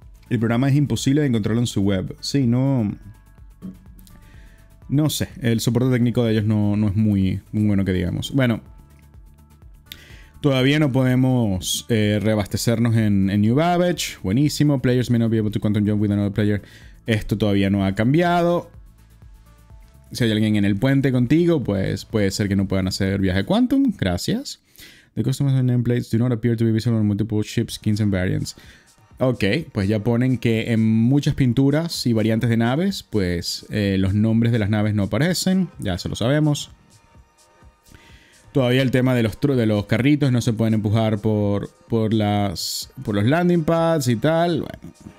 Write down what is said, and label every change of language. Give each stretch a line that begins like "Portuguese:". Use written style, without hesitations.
Spanish: El programa es imposible de encontrarlo en su web. Sí, no. No sé. El soporte técnico de ellos no es muy, muy bueno que digamos. Bueno. Todavía no podemos reabastecernos en New Babbage. Buenísimo.
English: Players may not be able to quantum jump with another player.
Spanish: Esto todavía no ha cambiado. Si hay alguien en el puente contigo, pues puede ser que no puedan hacer viaje quantum. Gracias.
English: The customers and nameplates do not appear to be visible on multiple ships, skins and variants.
Spanish: Ok, pues ya ponen que en muchas pinturas y variantes de naves, pues los nombres de las naves no aparecen, ya se lo sabemos. Todavía el tema de los carritos no se pueden empujar por los landing pads y tal. Bueno.